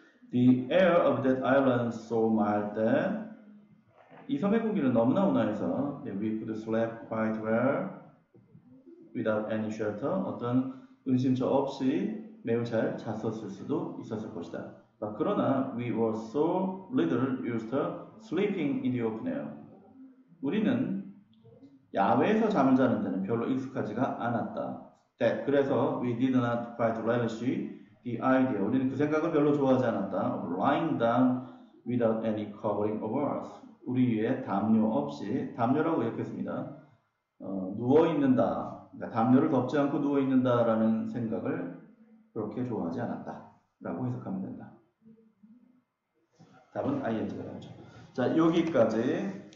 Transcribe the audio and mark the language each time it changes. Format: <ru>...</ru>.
<en>The air of that island so mild that,</en> <ko>이 섬의 공기는 너무나 온화해서,</ko> <en>we could sleep quite well without any shelter,</en> <ko>어떤 은신처 없이 매우 잘 잤었을 수도 있었을 것이다.</ko> <en>그러나 we were so little used to sleeping in the open air.</en> <ko>우리는 야외에서 잠을 자는 데는 별로 익숙하지가 않았다.</ko> <en>That,</en> <ko>그래서</ko> <en>we did not quite relish the idea.</en> <ko>우리는 그 생각을 별로 좋아하지 않았다.</ko> <en>Lying down without any covering over us.</en> <ko>우리 위에 담요 없이 담요라고 이렇게 했습니다. 누워 있는다. 그러니까 담요를 덮지 않고 누워 있는다라는 생각을 그렇게 좋아하지 않았다라고 해석하면 된다. 답은 ING가 나오죠. 자, 여기까지.</ko>